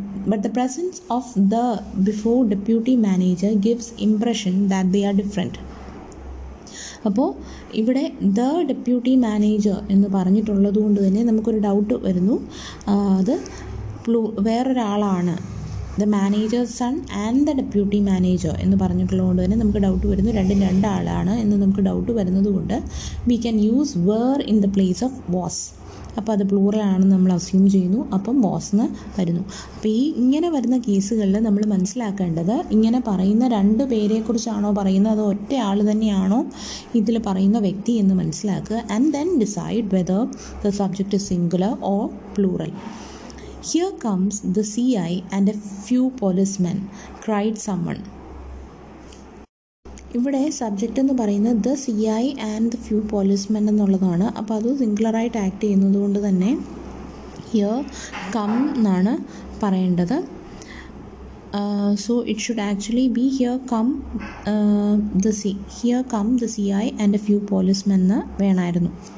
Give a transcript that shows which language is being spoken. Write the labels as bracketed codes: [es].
[en] But the presence of the before deputy manager gives impression that they are different. [ml] അപ്പോൾ ഇവിടെ [en] the deputy manager [ml] എന്ന് പറഞ്ഞിട്ടുള്ളത് കൊണ്ട് തന്നെ നമുക്കൊരു ഡൗട്ട് വരുന്നു, അത് വേറൊരാളാണ്. [en] the manager's son and the deputy manager [ml] എന്ന് പറഞ്ഞിട്ടുള്ളത് കൊണ്ട് തന്നെ നമുക്ക് ഡൗട്ട് വരുന്നു, രണ്ടാളാണ് എന്ന് നമുക്ക് ഡൗട്ട് വരുന്നത് കൊണ്ട് [en] We can use where in the place of was. [ml] അപ്പോൾ അത് പ്ലൂറലാണെന്ന് നമ്മൾ അസ്യൂം ചെയ്യുന്നു, അപ്പം വാസ്ന്ന് വരുന്നു. അപ്പോൾ ഈ ഇങ്ങനെ വരുന്ന കേസുകളിൽ നമ്മൾ മനസ്സിലാക്കേണ്ടത്, ഇങ്ങനെ പറയുന്ന രണ്ട് പേരെക്കുറിച്ചാണോ പറയുന്നത്, അതോ ഒറ്റയാൾ തന്നെയാണോ ഇതിൽ പറയുന്ന വ്യക്തി എന്ന് മനസ്സിലാക്കുക. [en] And then decide whether the subject singular or plural. Here comes the CI and a few policemen, cried someone. [ml] ഇവിടെ സബ്ജക്റ്റ് എന്ന് പറയുന്നത് [en] the C I and the few policemen [ml] എന്നുള്ളതാണ്. അപ്പോൾ അത് സിംഗുലറായിട്ട് ആക്ട് ചെയ്യുന്നതുകൊണ്ട് തന്നെ [en] here come [ml] എന്നാണ് പറയേണ്ടത്. [en] so it should actually be here come the C here come the C I and a few policemen [ml] എന്ന് വേണമായിരുന്നു.